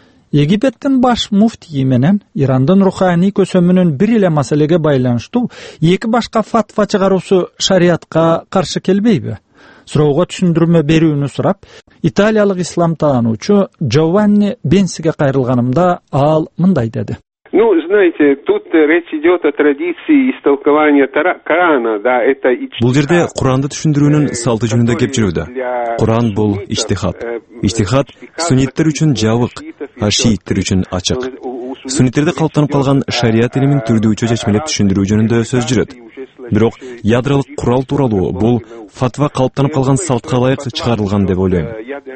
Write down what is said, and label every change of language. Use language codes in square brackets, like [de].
[ky] Египеттин баш муфтии менен Ирандын руханий көсөмүнүн бир эле маселеге байланыштуу эки башка фатва чыгаруусу шариятка каршы келбейби? Суроого түшүндүрмө берүүнү сурап, италиялык ислам таануучу Джованни Бенсиге кайрылганымда ал мындай деди. [ru] Ну, знаете, тут речь идет о традиции истолкования Корана, да, это ичтихат. [ky] Бул жерде Куранды түшүндүрүүнүн салты жөнүндө кеп жүрүүдө. Куран бул ичтихат. Ичтихат сунниттер үчүн жабык, а шииттер үчүн ачык. Сунниттерде калыптанып калган шарият илимин түрдүүчө чечмелеп түшүндүрүү жөнүндө сөз жүрөт. Бирок ядролук курал тууралуу бул фатва калыптанып калган салтка ылайык чыгарылган деп ойлойм.